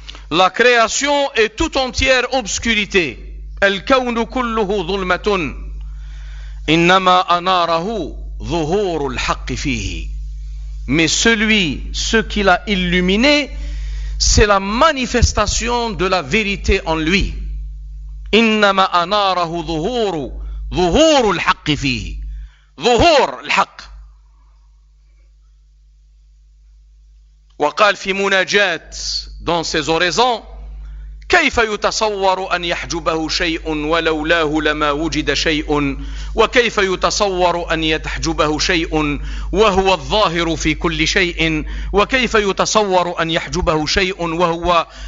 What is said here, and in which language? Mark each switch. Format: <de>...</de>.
<fr>La création est tout entière obscurité.</fr> <ar>الكون كله ظلمة. إنما أناره ظهور الحق فيه.</ar> <fr>Mais celui, ce qu'il a illuminé, c'est la manifestation de la vérité en lui.</fr> <ar>إنما أناره ظهور ظهور الحق فيه. ظهور الحق. وقال في مناجات</ar> <fr>dans ses oraisons,</fr> <ar>كيف يتصور أن يحجبه شيء ولولاه لما وجد شيء وكيف يتصور أن يتحجبه شيء وهو الظاهر في كل شيء وكيف يتصور أن يحجبه شيء وهو</ar>